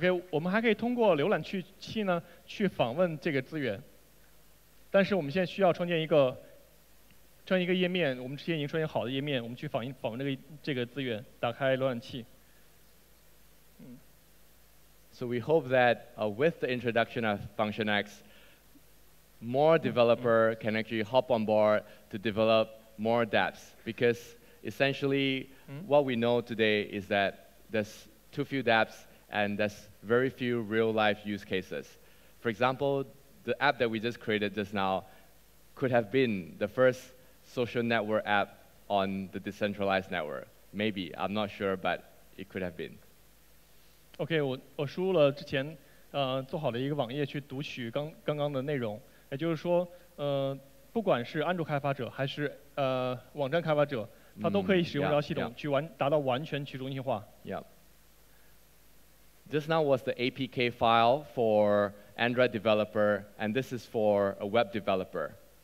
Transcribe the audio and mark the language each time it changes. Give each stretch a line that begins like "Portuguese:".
Chinese: 我们还可以通过浏览器呢去访问这个资源，但是我们现在需要创建一个。创建一个页面，我们之前已经创建好的页面，我们去访问这个资源，打开浏览器。
English: So we hope that with the introduction of Function X, more developer can actually hop on board to develop more dApps. Because essentially, what we know today is that there's too few dApps and there's very few real life use cases. For example, the app that we just created just now could have been the first. Social network app on the decentralized network. Maybe, I'm not sure, but it could have been.
Chinese: Okay, 我输入了之前做好的一个网页去读取刚刚的内容。也就是说不管是安卓开发者还是网站开发者他都可以使用这套系统去达到完全去中心化。 Yeah.
English: This now was the APK file for Android developer and this is for a web developer.